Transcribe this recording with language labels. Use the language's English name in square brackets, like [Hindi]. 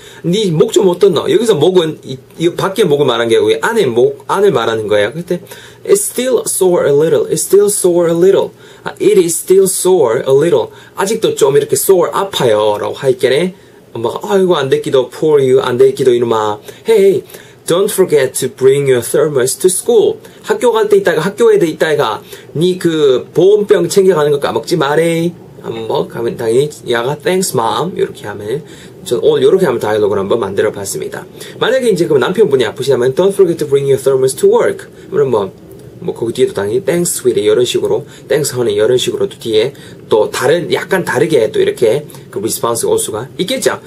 [Korean] 네 목 좀 어떻노? 여기서 목은 이 밖에 목을 말한 게 아니고 안에 목 안을 말하는 거예요. [English] 그때 It's still sore a little. It's still sore a little. It is still sore a little. [Korean] 아직도 좀 이렇게 sore 아파요라고 하이께네. 엄마가 아이고 안 됐기도 [English] poor you [Korean] 안 됐기도 이놈아. [English] Hey, don't forget to bring your thermos to school. [Korean] 학교 갈 때 있다가 학교에 돼 있다가 네 그 보온병 챙겨가는 거 까먹지 마래. 뭐 가면 당연히 야가 [English] thanks mom [Korean] 이렇게 하면 전 오늘 이렇게 하면 다이얼로그를 한번 만들어 봤습니다. 만약에 이제 그 남편분이 아프시다면 [English] don't forget to bring your thermos to work. [Korean] 그럼 뭐 거기 뒤에도 당연히 [English] thanks sweetie [Korean] 이런 식으로 [English] thanks honey [Korean] 이런 식으로 또 뒤에 또 다른 약간 다르게 또 이렇게 그 response 올 수가 있겠죠.